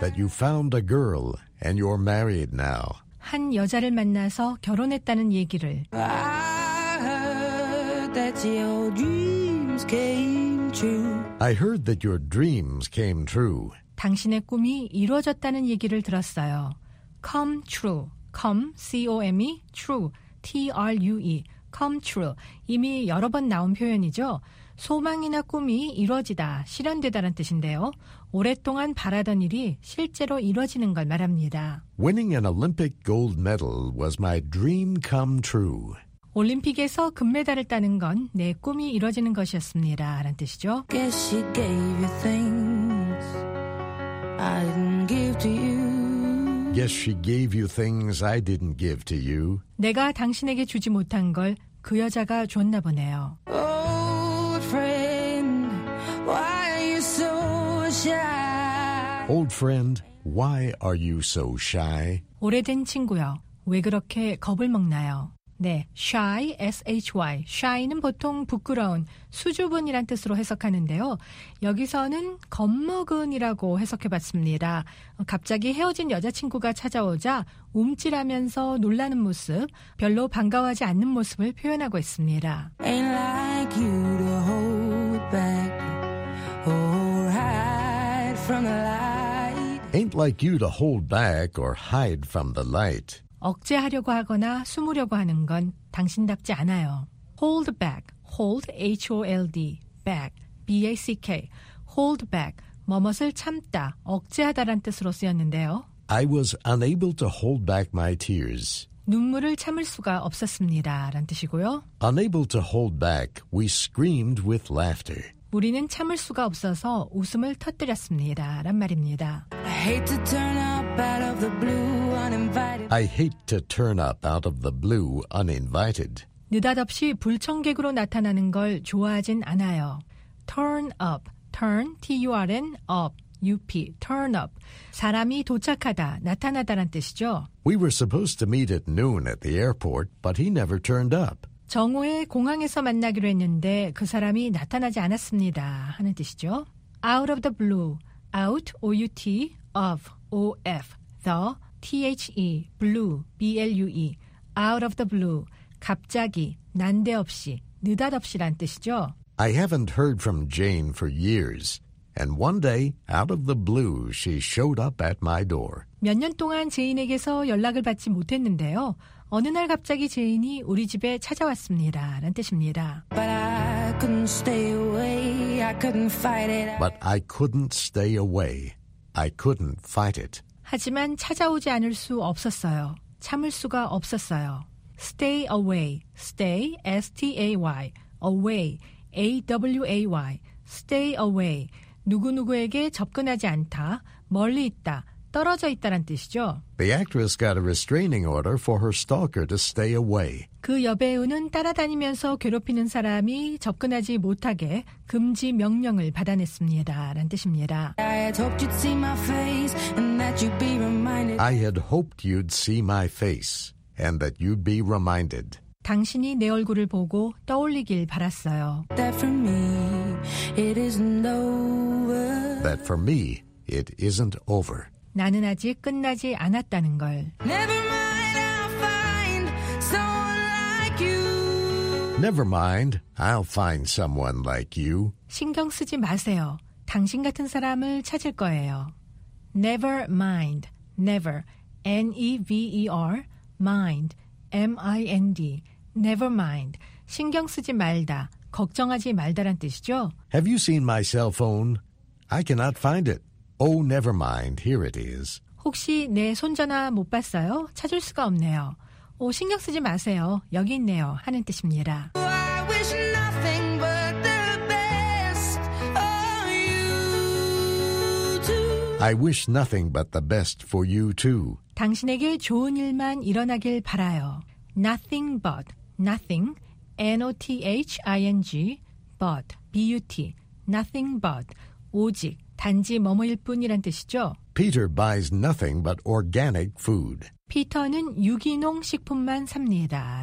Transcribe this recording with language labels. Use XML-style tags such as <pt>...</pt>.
<en>That you found a girl and you're married now.</en> <ko>한 여자를 만나서 결혼했다는 얘기를.</ko> <en>I heard that your dreams came true. I heard that your dreams came true.</en> <ko>당신의 꿈이 이루어졌다는 얘기를 들었어요.</ko> <en>Come true. Come, C-O-M-E, true, T-R-U-E, come true.</en> <ko>이미 여러 번 나온 표현이죠. 소망이나 꿈이 이루어지다, 실현되다란 뜻인데요. 오랫동안 바라던 일이 실제로 이루어지는 걸 말합니다.</ko> <en>Winning an Olympic gold medal was my dream come true.</en> <ko>올림픽에서 금메달을 따는 건 내 꿈이 이루어지는 것이었습니다. 라는 뜻이죠.</ko> <en>Guess she gave you things I didn't give to you. Guess she gave you things I didn't give to you.</en> <ko>내가 당신에게 주지 못한 걸 그 여자가 줬나 보네요.</ko> <en>Old friend, why are you so shy? Old friend, why are you so shy?</en> <ko>오래된 친구여, 왜 그렇게 겁을 먹나요?</ko> <en>네, shy, S-H-Y.</en> <ko>shy는 보통 부끄러운, 수줍은이란 뜻으로 해석하는데요. 여기서는 겁먹은이라고 해석해봤습니다. 갑자기 헤어진 여자친구가 찾아오자 움찔하면서 놀라는 모습, 별로 반가워하지 않는 모습을 표현하고 있습니다.</ko> <en>Ain't like you to hold back or hide from the light. Ain't like you to hold back or hide from the light.</en> <ko>억제하려고 하거나 숨으려고 하는 건 당신답지 않아요.</ko> <en>Hold back, hold, H-O-L-D, back, B-A-C-K, hold back,</en> <ko>뭐뭇을 참다, 억제하다란 뜻으로 쓰였는데요.</ko> <en>I was unable to hold back my tears.</en> <ko>눈물을 참을 수가 없었습니다, 라는 뜻이고요.</ko> <en>Unable to hold back, we screamed with laughter.</en> <ko>우리는 참을 수가 없어서 웃음을 터뜨렸습니다, 라는 말입니다.</ko> <en>I hate to turn up out of the blue. I hate to turn up out of the blue uninvited.</en> <ko>느닷없이 불청객으로 나타나는 걸 좋아하진 않아요.</ko> <en>Turn up, turn, T-U-R-N, up, U-P, turn up.</en> <ko>사람이 도착하다, 나타나다란 뜻이죠.</ko> <en>We were supposed to meet at noon at the airport, but he never turned up.</en> <ko>정오에 공항에서 만나기로 했는데 그 사람이 나타나지 않았습니다 하는 뜻이죠.</ko> <en>Out of the blue, out, O-U-T, of, O-F, the, T-H-E, blue, B-L-U-E, out of the blue,</en> <ko>갑자기, 난데없이, 느닷없이란 뜻이죠.</ko> <en>I haven't heard from Jane for years, and one day, out of the blue, she showed up at my door.</en> <ko>몇 년 동안 제인에게서 연락을 받지 못했는데요. 어느 날 갑자기 제인이 우리 집에 찾아왔습니다, 라는 뜻입니다.</ko> <en>But I couldn't stay away, I couldn't fight it. But I couldn't stay away, I couldn't fight it.</en> <ko>하지만 찾아오지 않을 수 없었어요. 참을 수가 없었어요.</ko> <en>Stay away. Stay, S-T-A-Y. Away, A-W-A-Y. Stay away.</en> <ko>누구누구에게 접근하지 않다, 멀리 있다, 떨어져 있다란 뜻이죠.</ko> <en>The actress got a restraining order for her stalker to stay away.</en> <ko>그 여배우는 따라다니면서 괴롭히는 사람이 접근하지 못하게 금지 명령을 받아냈습니다. 라는 뜻입니다.</ko> <en>I had hoped you'd see my face and that you'd be reminded. I had hoped you'd see my face and that you'd be reminded.</en> <ko>당신이 내 얼굴을 보고 떠올리길 바랐어요.</ko> <en>That for me it isn't over. That for me it isn't over.</en> <ko>나는 아직 끝나지 않았다는 걸.</ko> <en>Never mind, I'll find someone like you. Never mind, I'll find someone like you.</en> <ko>신경 쓰지 마세요. 당신 같은 사람을 찾을 거예요.</ko> <en>Never mind, never, N-E-V-E-R, mind, M-I-N-D, never mind.</en> <ko>신경 쓰지 말다, 걱정하지 말다란 뜻이죠.</ko> <en>Have you seen my cell phone? I cannot find it. Oh, never mind. Here it is.</en> <ko>혹시 내 손전화 못 봤어요? 찾을 수가 없네요. 오, 신경 쓰지 마세요. 여기 있네요. 하는 뜻입니다.</ko> <en>I wish nothing but the best for you too. I wish nothing but the best for you too.</en> <ko>당신에게 좋은 일만 일어나길 바라요.</ko> <en>Nothing but, nothing, N-O-T-H-I-N-G, but, B-U-T, nothing but,</en> <ko>오직, 단지 뭐뭐일 뿐이란 뜻이죠.</ko> <en>Peter buys nothing but organic food.</en> <ko>피터는 유기농 식품만 삽니다.</ko>